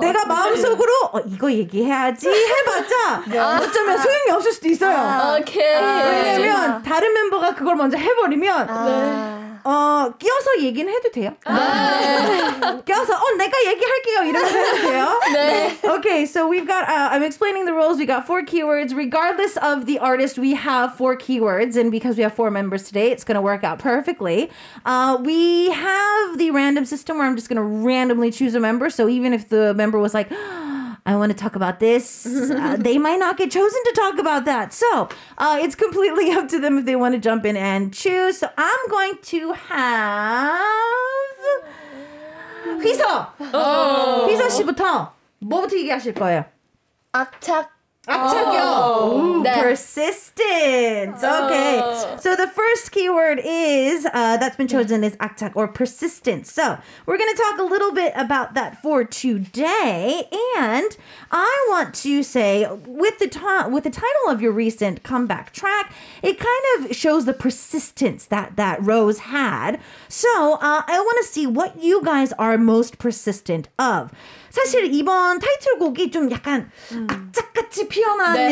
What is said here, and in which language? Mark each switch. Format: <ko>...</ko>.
<ko>내가 마음속으로 이거 얘기해야지 해봤자 어쩌면 소용이 없을 수도 있어요. 왜냐면 다른 멤버가 그걸 먼저 해버리면 끼어서 얘기는 해도 돼요. 끼어서 내가 얘기할게요 이러면서 해도 돼요. 네.</ko> <en>Okay, so we've got I'm explaining the rules. We got four keywords. Regardless of the artist, we have four keywords, and because we have four members today, it's going to work out perfectly. We have the random system where I'm just going to randomly choose a member. So even if the member was like, I want to talk about this, they might not get chosen to talk about that. So it's completely up to them if they want to jump in and choose. So I'm going to have... 휘서!</en> <ko>휘서 씨부터 뭐부터 얘기하실 거예요? 악착. 악착이요?</ko> <en>Persistence. Okay. So the first keyword is, that's been chosen is 악착 or persistence. So we're going to talk a little bit about that for today. And I want to say with the title of your recent comeback track, it kind of shows the persistence that Rose had. So I want to see what you guys are most persistent of.</en> <ko>사실 이번 타이틀곡이 좀 약간 악착같이 피어난 네.</ko>